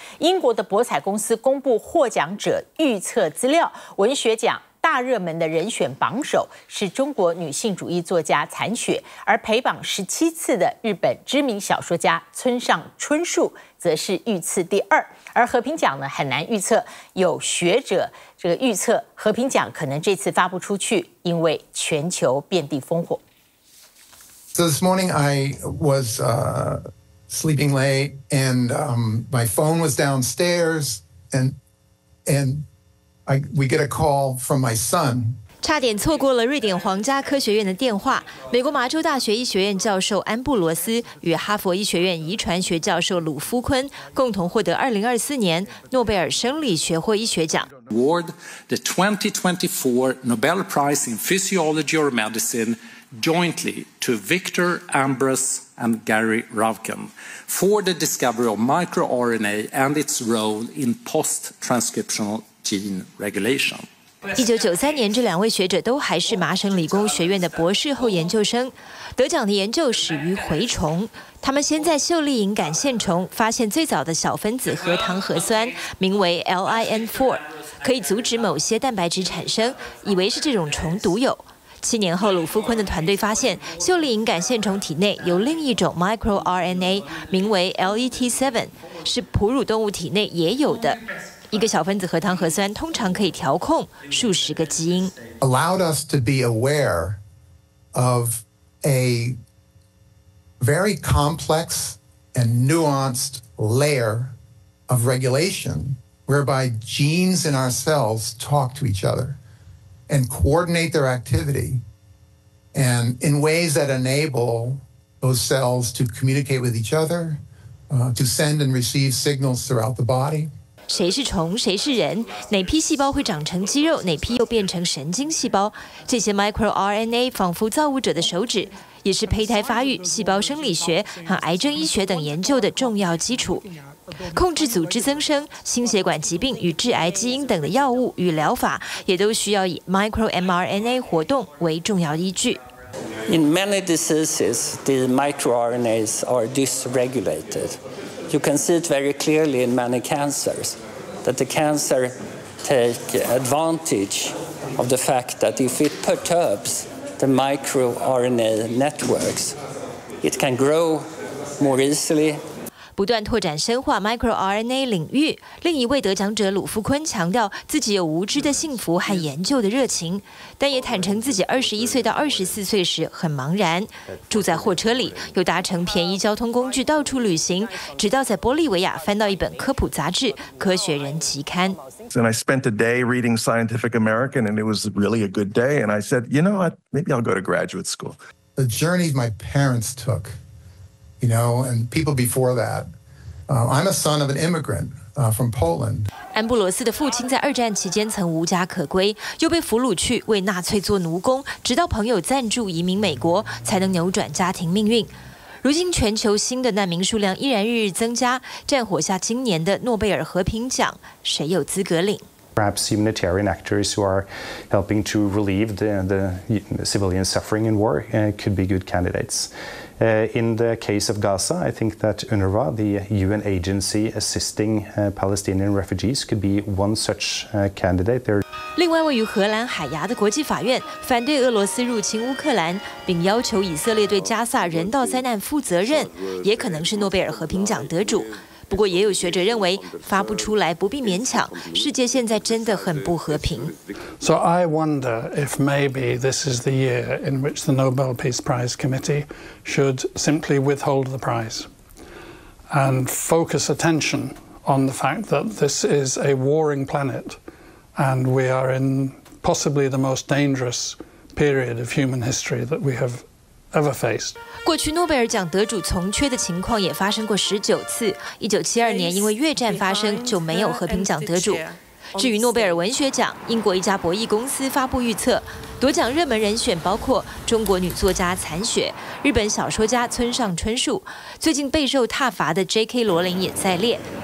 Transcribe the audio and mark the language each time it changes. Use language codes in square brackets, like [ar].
[zh] 英国的博彩公司公布获奖者预测资料，文学奖大热门的人选榜首是中国女性主义作家残雪，而陪榜17次的日本知名小说家村上春树则是遇刺第二。而和平奖呢，很难预测，有学者这个预测和平奖可能这次发不出去，因为全球遍地烽火。 [en] So this morning I was sleeping late and my phone was downstairs and we get a call from my son. [zh] 差点错过了瑞典皇家科学院的电话。美国麻州大学医学院教授安布罗斯与哈佛医学院遗传学教授鲁夫昆共同获得2024年诺贝尔生理学或医学奖。 [en] Award the 2024 Nobel Prize in Physiology or Medicine jointly to Victor Ambrus and Gary Ravkin for the discovery of microRNA and its role in post-transcriptional. [zh] 1993年，这两位学者都还是麻省理工学院的博士后研究生。得奖的研究始于蛔虫，他们先在秀丽营感线虫发现最早的小分子核糖核酸，名为 LIN4， 可以阻止某些蛋白质产生，以为是这种虫独有。七年后，鲁夫昆的团队发现秀丽营感线虫体内有另一种 microRNA， 名为 LET7， 是哺乳动物体内也有的。一个小分子核糖核酸通常可以调控数十个基因。 [en] Allowed us to be aware of a very complex and nuanced layer of regulation, whereby genes in our cells talk to each other and coordinate their activity and in ways that enable those cells to communicate with each other, to send and receive signals throughout the body. [zh] 谁是虫，谁是人？哪批细胞会长成肌肉，哪批又变成神经细胞？这些 microRNA 仿佛造物者的手指，也是胚胎发育、细胞生理学和癌症医学等研究的重要基础。控制组织增生、心血管疾病与致癌基因等的药物与疗法，也都需要以 microMRNA 活动为重要依据。 [en] In many diseases, the microRNAs are dysregulated. You can see it very clearly in many cancers, that the cancer takes advantage of the fact that if it perturbs the microRNA networks, it can grow more easily. [zh] 不断拓展深化 microRNA 领域。另一位得奖者鲁夫坤强调，自己有无知的幸福和研究的热情，但也坦诚自己21岁到24岁时很茫然，住在货车里，又搭乘便宜交通工具到处旅行，直到在玻利维亚翻到一本科普杂志《科学人》期刊。 [en] And I spent a day reading Scientific American, and it was really a good day. And I said, you know what? Maybe I'll go to graduate school. The journey my parents took. You know, and people before that. I'm a son of an immigrant from Poland. [zh] 安布罗斯的父亲在二战期间曾无家可归，又被俘虏去为纳粹做奴工，直到朋友赞助移民美国，才能扭转家庭命运。如今全球新的难民数量依然日日增加，战火下今年的诺贝尔和平奖，谁有资格领？ [en] Perhaps humanitarian actors who are helping to relieve the civilian suffering in war could be good candidates. In the case of Gaza, I think that UNRWA, the UN agency assisting Palestinian refugees, could be one such candidate there. [zh] 另外，位于荷兰海牙的国际法院反对俄罗斯入侵乌克兰，并要求以色列对加萨人道灾难负责任，也可能是诺贝尔和平奖得主。不过，也有学者认为发不出来不必勉强。世界现在真的很不和平。 [en] So I wonder if maybe this is the year in which the Nobel Peace Prize Committee should simply withhold the prize and focus attention on the fact that this is a warring planet and we are in possibly the most dangerous period of human history that we have. [zh] 过去诺贝尔奖得主从缺的情况也发生过19次。 1972年因为越战发生就没有和平奖得主。至于诺贝尔文学奖，英国一家博弈公司发布预测，夺奖热门人选包括中国女作家残雪、日本小说家村上春树，最近备受挞伐的 J.K. 罗琳也在列。